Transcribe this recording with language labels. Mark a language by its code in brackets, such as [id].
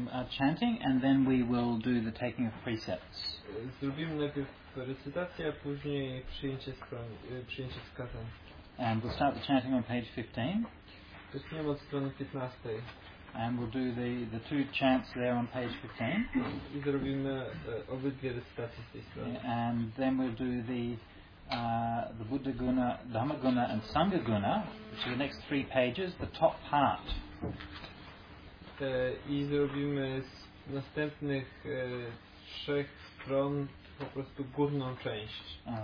[en] Chanting and then we will do the taking of precepts. [pl] Zrobimy najpierw recytację, a później przyjęcie wskazań. [en] And we'll start the chanting on page 15. [pl] Zaczniemy od strony 15. [en] And we'll do the two chants there on page 15. [pl] I zrobimy obydwie recytacje z tej strony. [en] And then we'll do the Buddha Guna, Dhamma Guna and Sangha Guna, which are the next three pages, the top part. [pl] I zrobimy z następnych trzech stron po prostu górną część.